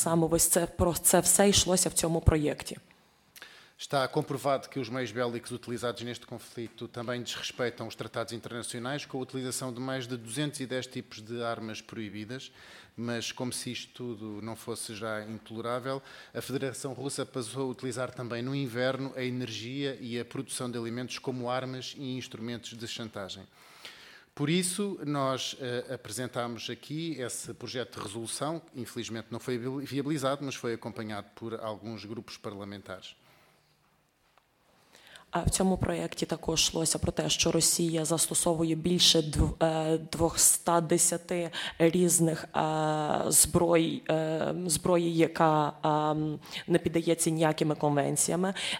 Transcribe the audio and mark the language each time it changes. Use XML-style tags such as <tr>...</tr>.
<uk>Саме ось це, про це все йшлося в цьому проєкті.</uk> <pt>Está comprovado que os meios bélicos utilizados neste conflito também desrespeitam os tratados internacionais com a utilização de mais de 210 tipos de armas proibidas, mas como se isto tudo não fosse já intolerável, a Federação Russa passou a utilizar também no inverno a energia e a produção de alimentos como armas e instrumentos de chantagem. Por isso, nós apresentámos aqui esse projeto de resolução, infelizmente não foi viabilizado, mas foi acompanhado por alguns grupos parlamentares.</pt> <uk>В цьому проєкті також йшлося про те, що Росія застосовує більше 210 різних зброї, яка не піддається ніякими конвенціями.</uk>